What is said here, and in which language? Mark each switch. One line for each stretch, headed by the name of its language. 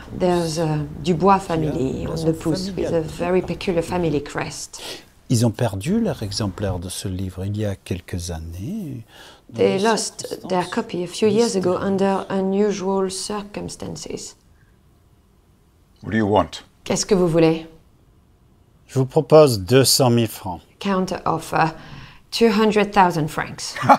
English: There's a Dubois family on the pouce with a very peculiar family crest.
French: Ils ont perdu leur exemplaire de ce livre il y a quelques années.
English: They lost their copy a few years ago under unusual circumstances. What do you want?
French: Qu'est-ce que vous voulez? Je vous propose 200 000 francs.
English: Counter offer, 200 000 francs.